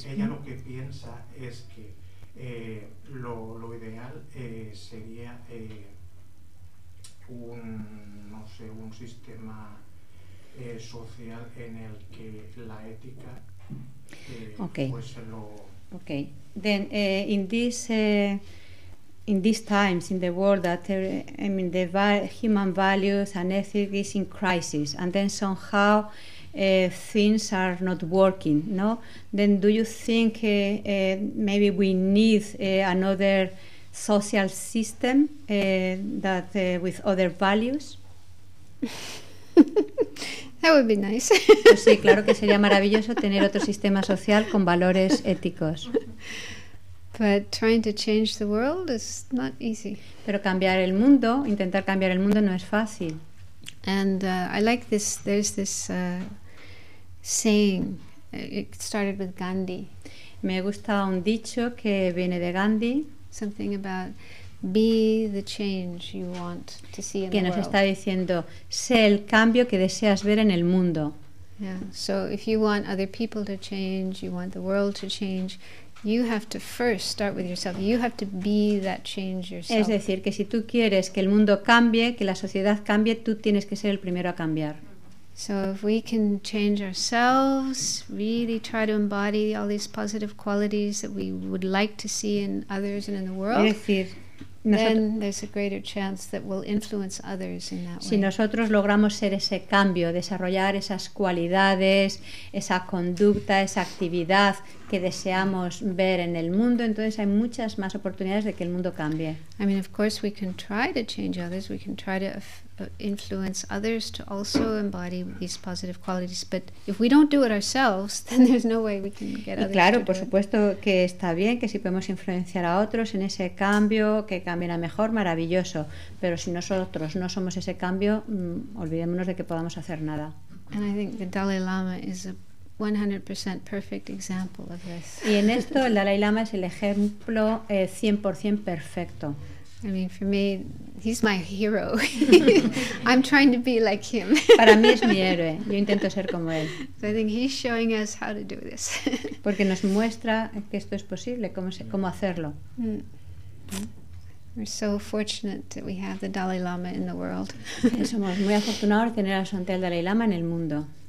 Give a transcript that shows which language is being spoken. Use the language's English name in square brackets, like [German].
[Spanish] saber si ella lo que piensa es que lo ideal sería un sistema social en el que la ética pues lo... [English] Okay. Then in these times in the world that human values and ethics is in crisis and then somehow things are not working, no? Then do you think maybe we need another social system that with other values? That would be nice. [Spanish] Pues sí, claro que sería maravilloso tener otro sistema social con valores éticos. [English] But trying to change the world is not easy. [Spanish] Pero cambiar el mundo, intentar cambiar el mundo no es fácil. [English] And I like this, there's this saying, it started with Gandhi. [Spanish] Me gusta un dicho que viene de Gandhi. [English] Something about be the change you want to see in the world. [Spanish] Que nos está diciendo, sé el cambio que deseas ver en el mundo. [English] Yeah. So if you want other people to change, you want the world to change, you have to first start with yourself. You have to be that change yourself. [Spanish] Es decir, que si tú quieres que el mundo cambie, que la sociedad cambie, tú tienes que ser el primero a cambiar. [English] So if we can change ourselves, really try to embody all these positive qualities that we would like to see in others and in the world, then there's a greater chance that we'll influence others in that way. [Spanish] Si nosotros logramos ser ese cambio, desarrollar esas cualidades, esa conducta, esa actividad que deseamos ver en el mundo, entonces hay muchas más oportunidades de que el mundo cambie. [English] I mean, of course, we can try to change others. We can try to influence others to also embody these positive qualities. But if we don't do it ourselves, then there's no way we can get others. [Spanish] Y claro, [English] to [Spanish] por [English] do [Spanish] supuesto [English] it. [Spanish] Que está bien que si podemos influenciar a otros en ese cambio, que cambien a mejor, maravilloso. Pero si nosotros no somos ese cambio, olvidémonos de que podamos hacer nada. [English] And I think the Dalai Lama is a 100% perfect example of this. [Spanish] Y en esto el Dalai Lama es el ejemplo 100% perfecto. [English] I mean, for me, he's my hero. I'm trying to be like him. [Spanish] Para mí es mi héroe. Yo intento ser como él. [English] So I think he's showing us how to do this. [Spanish] Porque nos muestra que esto es posible, cómo hacerlo. [English] We're so fortunate that we have the Dalai Lama in the world. [Spanish] Somos muy afortunados de tener a Santé el Dalai Lama en el mundo.